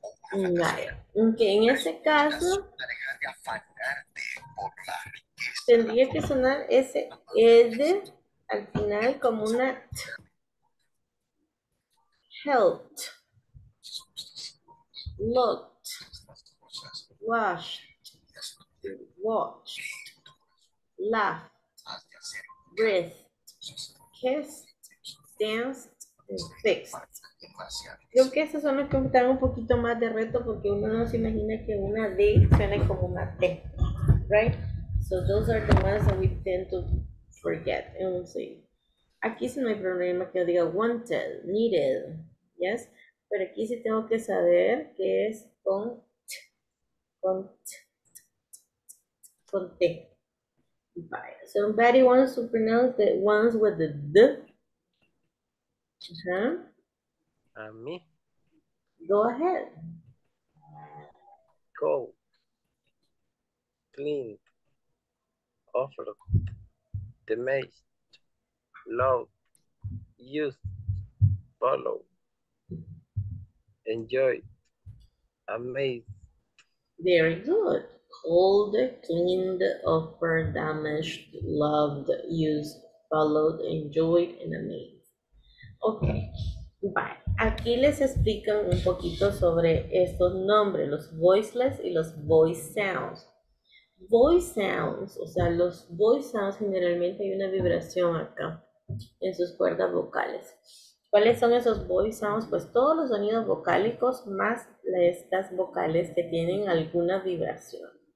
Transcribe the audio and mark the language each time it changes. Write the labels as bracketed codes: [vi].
[es] Okay, en ese caso, tendría que sonar ese ed al final como una t. [en] Helped, looked, washed, watched, laughed, breathed, kissed, danced, and fixed. [es] Creo que esas son las que me dan un poquito más de reto porque uno no se imagina que una D suene como una T, [en] right? So those are the ones that we tend to forget. [es] Aquí sí no hay problema que diga [en] wanted, needed. Yes, [es] pero aquí sí tengo que saber que es con T. [en] Bye. So somebody wants to pronounce the ones with the D. Uh-huh. Me. Go ahead. Go. Clean. Offer. Damaged. Love. Use. Follow. Enjoy. Amazed. Very good. Cold, cleaned, offered, damaged, loved, used, followed, enjoyed, and amazed. Okay. Bye. [es] Aquí les explican un poquito sobre estos nombres, los voiceless y los voice sounds. Voice sounds, o sea, los voice sounds generalmente hay una vibración acá en sus cuerdas vocales. ¿Cuáles son esos voice sounds? Pues todos los sonidos vocálicos más estas vocales que tienen alguna vibración.